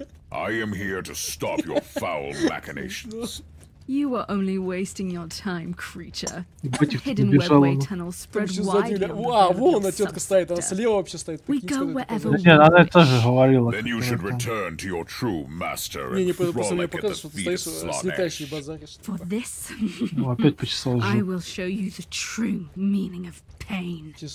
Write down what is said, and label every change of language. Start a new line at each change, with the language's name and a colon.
English: I am here to stop your foul machinations. You are only wasting your time, creature. Hidden webway tunnel spread wide.
Russian: Wow, вон эта тетка стоит, она слева вообще стоит.
English: We go wherever we wish.
Russian: Она тоже говорила.
English: Then you should return to your true master and frolic at the feet of Slaanesh. For this, I will show you the true meaning of pain.